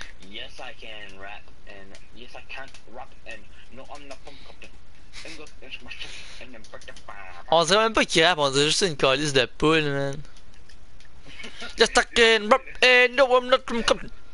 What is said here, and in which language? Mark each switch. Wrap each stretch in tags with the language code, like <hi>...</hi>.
<en>Yes, I can rap, and yes, I can't rap, and no, I'm not from Compton. English is my shit, and I'm pretty fine.</en> <fr>On dirait même pas qu'il rappe, on dirait juste une calice de poule, man.</fr> <en>Yes, I can rap, and no, I'm not from Compton.</en>